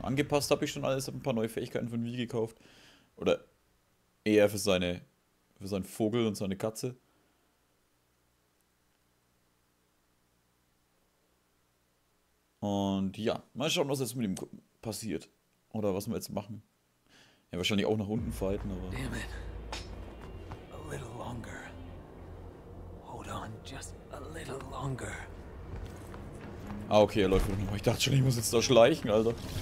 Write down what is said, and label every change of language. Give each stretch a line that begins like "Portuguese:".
German: Angepasst habe ich schon alles, habe ein paar neue Fähigkeiten von Wii gekauft. Oder eher für seinen Vogel und seine Katze. Und ja, mal schauen, was jetzt mit ihm passiert. Oder was wir jetzt machen. Ja, wahrscheinlich auch nach unten fighten, aber.
English: Damn it. A little longer. Hold on, just a little longer.
German: Ah, okay, er läuft wieder nochmal. Ich dachte schon, ich muss jetzt da schleichen, Alter.